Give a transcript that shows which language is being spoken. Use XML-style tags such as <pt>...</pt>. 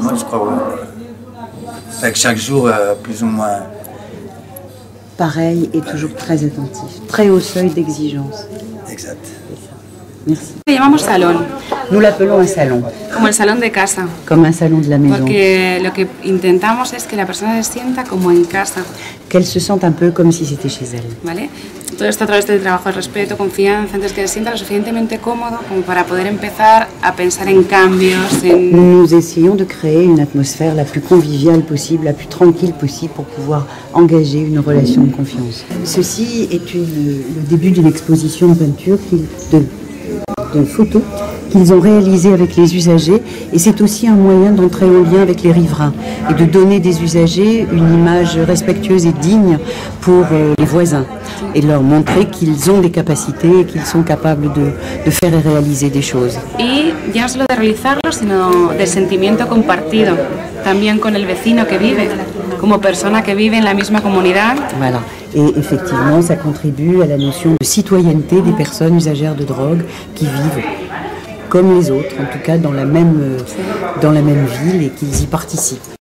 <fr>Moi, je crois que chaque jour, plus ou moins. Pareil et toujours très attentif, très haut seuil d'exigence. Exact. Merci. Nous l'appelons salon. Nous l'appelons un salon. Comme le salon de casa. Comme un salon de la maison. Parce que</fr> <es>lo que intentamos es que la persona se sienta como en casa.</es> <fr>Qu'elle se sente un peu comme si c'était chez elle.</fr> <es>Vale. Todo esto a través del trabajo de respeto, confianza, antes que se sienta lo suficientemente cómodo como para poder empezar a pensar en cambios.</es> <fr>Nous essayons de créer une atmosphère la plus conviviale possible, la plus tranquille possible pour pouvoir engager une relation de confiance. Ceci est le début d'une exposition de peinture, de photos qu'ils ont réalisées avec les usagers, et c'est aussi un moyen d'entrer en lien avec les riverains et de donner des usagers une image respectueuse et digne pour les voisins et leur montrer qu'ils ont des capacités et qu'ils sont capables de faire et réaliser des choses.</fr> <es>Et ya solo de realizarlo, sino del sentimiento compartido también con el vecino que vive.</es> <fr>Comme personne qui vit dans la même communauté. Voilà. Et effectivement, ça contribue à la notion de citoyenneté des personnes usagères de drogue qui vivent comme les autres, en tout cas dans la même ville et qu'ils y participent.</fr>